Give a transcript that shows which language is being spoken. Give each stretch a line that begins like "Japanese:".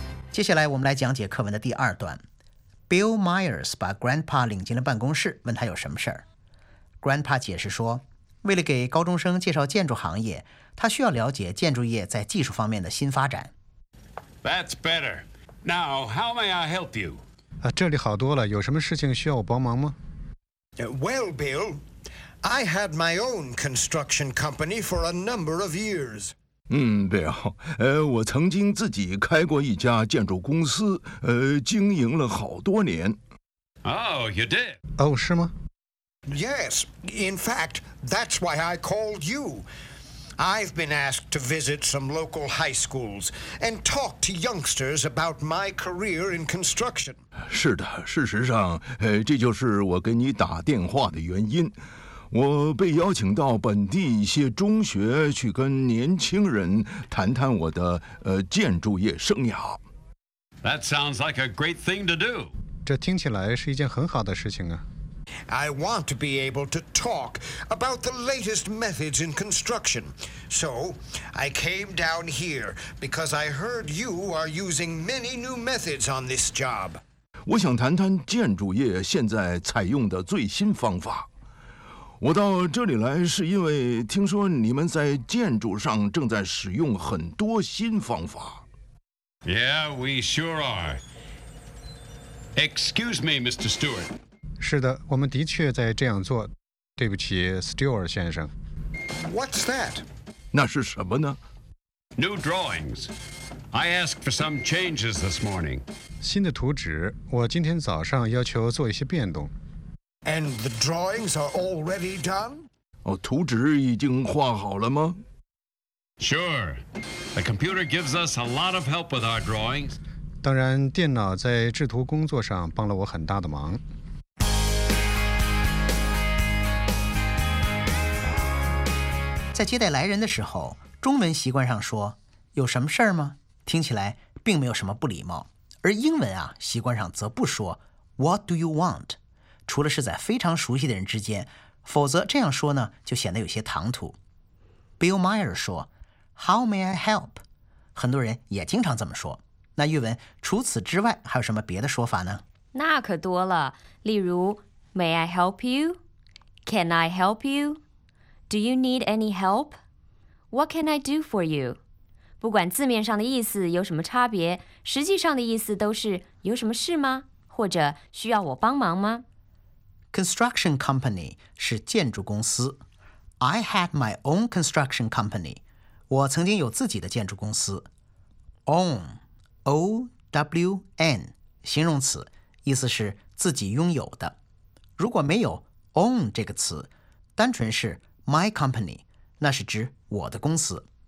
Chinese: 接下来我们来讲解课文的第二段。Bill Myers 把 Grandpa 领进了办公室，问他有什么事儿。 Grandpa 解释说，为了给高中生介绍建筑行业，他需要了解建筑业在技术方面的新发展。
English: That's better. Now, how may I help you?
Chinese: 啊，这里好多了，有什么事情需要我帮忙吗？
English: Well, Bill, I had my own construction company for a number of years.
Chinese: 嗯 ，Bill， 我曾经自己开过一家建筑公司，经营了好多年。
English: Oh, you did?
Chinese: 哦，是吗？
English: Yes, in fact, that's why I called you. I've been asked to visit some local high schools and talk to youngsters about my career in construction.
Chinese: 是的，事实上，这就是我给你打电话的原因。我被邀请到本地一些中学去跟年轻人谈谈我的建筑业生涯。
English: That sounds like a great thing to do.
Chinese: 这听起来是一件很好的事情啊。
English: I want to be able to talk about the latest methods in construction. So, I came down here because I heard you are using many new methods on this job.
Chinese: 我想谈谈建筑业现在采用的最新方法。我到这里来是因为听说你们在建筑上正在使用很多新方法。
English: Yeah, we sure are. Excuse me, Mr. Stewart.
Chinese: 是的，我们的确在这样做。对不起 ，Stewart 先生。
English: What's that?
Chinese: 那是什么呢
English: ？New drawings. I asked for some changes this morning.
Chinese: 新的图纸，我今天早上要求做一些变动。
English: And the drawings are already done?
Chinese: 哦，图纸已经画好了吗
English: ？Sure. The computer gives us a lot of help with our drawings.
Chinese: 当然，电脑在制图工作上帮了我很大的忙。在接待来人的时候，中文习惯上说有什么事儿吗，听起来并没有什么不礼貌，而英文啊，习惯上则不说
English: What do you want?
Chinese: 除了是在非常熟悉的人之间，否则这样说呢，就显得有些唐突。
English: Bill Meyer 说 How may I help?
Chinese: 很多人也经常这么说。那玉文，除此之外还有什么别的说法呢？那可多了，例如
English: May I help you? Can I help you? Do you need any help? What can I do for you?
Chinese: 不管字面上的意思有什么差别，实际上的意思都是有什么事吗？或者需要我帮忙吗？ Construction company 是建筑公司。
English: I had my own construction company.
Chinese: 我曾经有自己的建筑公司。Own, O-W-N, 形容词，意思是自己拥有的。如果没有 own 这个词，单纯是
English: My company,
Chinese: 那是指我的公司。